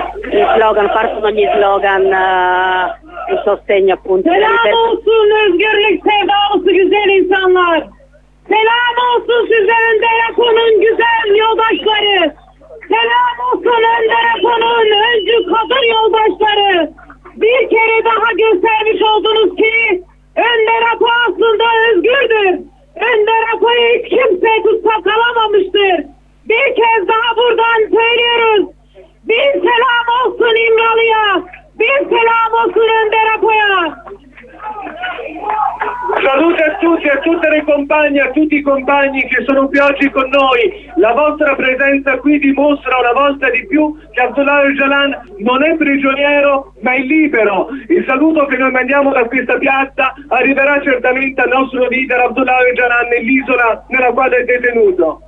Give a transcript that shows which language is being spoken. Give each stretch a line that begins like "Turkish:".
Italian: Gli slogan partono gli slogan di sostegno appunto.
Turkish: Selam olsun özgürlük sevdalısı güzel insanlar. Selam olsun sizlerin telefonun güzel yoldaşları. Selam olsun Önder Akon'un öncü kadın yoldaşları. Bir kere daha göstermiş oldunuz ki Önder Akon aslında özgürdür. Önder Akon'u hiç kimse tutsak alamamıştır. Bir kez daha buradan söylüyoruz. Bir selam olsun İmralı'ya. Bir selam olsun Önder Akon'a.
Italian: Salute a tutti, a tutte le compagne, a tutti i compagni che sono qui oggi con noi. La vostra presenza qui dimostra una volta di più che Abdullah Öcalan non è prigioniero ma è libero. Il saluto che noi mandiamo da questa piazza arriverà certamente al nostro leader Abdullah Öcalan nell'isola nella quale è detenuto.